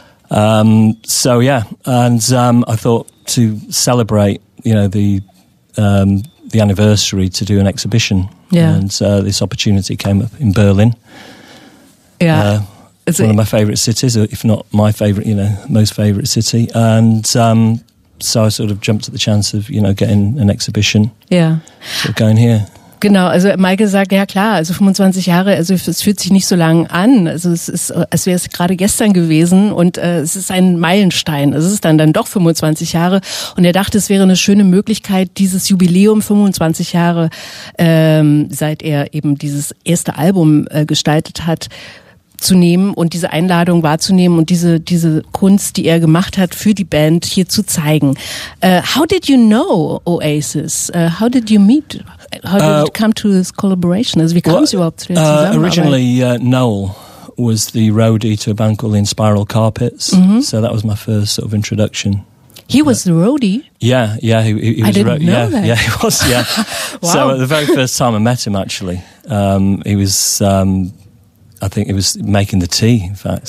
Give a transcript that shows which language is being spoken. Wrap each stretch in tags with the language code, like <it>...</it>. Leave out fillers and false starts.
<en>So I thought to celebrate, you know, the anniversary, to do an exhibition. Yeah. And this opportunity came up in Berlin. Yeah. It's one of my favorite cities, if not my favorite, you know, most favorite city. So I sort of jumped at the chance of, you know, getting an exhibition. Yeah. Sort of going here.</en> <de>Genau, also Michael sagt, ja klar, also 25 Jahre, also es fühlt sich nicht so lang an, also es ist, als wäre es gerade gestern gewesen und es ist ein Meilenstein, es ist dann doch 25 Jahre und er dachte, es wäre eine schöne Möglichkeit, dieses Jubiläum 25 Jahre, seit er eben dieses erste Album gestaltet hat, zu nehmen und diese Einladung wahrzunehmen und diese Kunst, die er gemacht hat für die Band, hier zu zeigen.</de> <en>How did you know Oasis? How did you meet? How did it come to this collaboration?</en> <de>Also, wie kam es überhaupt zu der Zusammenarbeit?</de> <en>Originally, Noel was the roadie to a band called In Spiral Carpets. Mm-hmm. So that was my first sort of introduction. He was the roadie? Yeah, he was the roadie. Yeah, yeah, he was, yeah. Wow. So the very first time I met him, actually, he was... I think it was making the tea, in fact.</en>